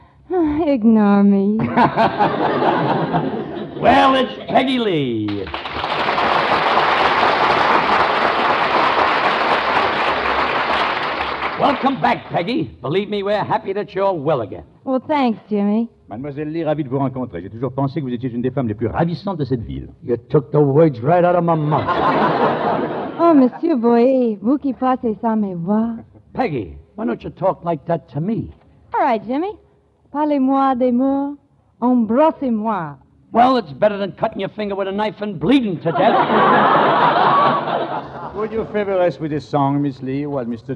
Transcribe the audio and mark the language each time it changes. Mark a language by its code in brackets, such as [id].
[en] Ignore me. Well, it's Peggy Lee. Welcome back, Peggy. Believe me, we're happy that you're well again. Well, thanks, Jimmy. [fr] Mademoiselle Lee, ravi de vous rencontrer. J'ai toujours pensé que vous étiez une des femmes les plus ravissantes de cette ville. [en] You took the words right out of my mouth. [fr] Oh, Monsieur Boyer, vous qui passez sans mes voix. [en] Peggy, why don't you talk like that to me? All right, Jimmy. [fr] Parlez-moi des mots. Embrassez-moi. [en] Well, it's better than cutting your finger with a knife and bleeding to death. Would you favor us with a song, Miss Lee, while Mr.